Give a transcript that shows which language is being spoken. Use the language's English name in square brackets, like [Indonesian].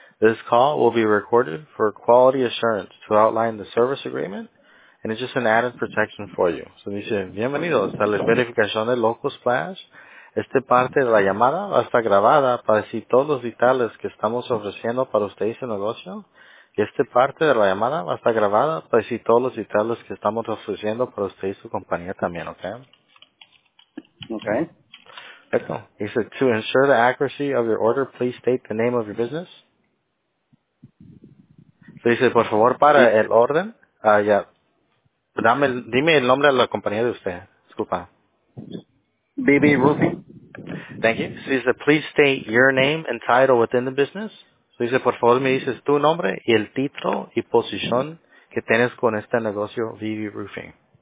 [English] This call will be recorded for quality assurance to outline the service agreement. And it's just an added protection for you. [Spanish] So dice, bienvenidos a la verificación de local slash. Esta parte de la llamada va a estar grabada para decir todos los detalles que estamos ofreciendo para usted y su negocio. Y esta parte de la llamada va a estar grabada para decir todos los detalles que estamos ofreciendo para usted y su compañía también, ¿ok? Ok. Perfecto. [English] Dice, to ensure the accuracy of your order, please state the name of your business. [Spanish] Dice, por favor, para el orden, ya, dime el nombre de la compañía de usted. Disculpa. [English] BB Roofing. Thank you. So he said, please state your name and title within the business. So he said, [Spanish] por favor, me dices tu nombre y el título y posición que tienes con este negocio, Vivi Roofing.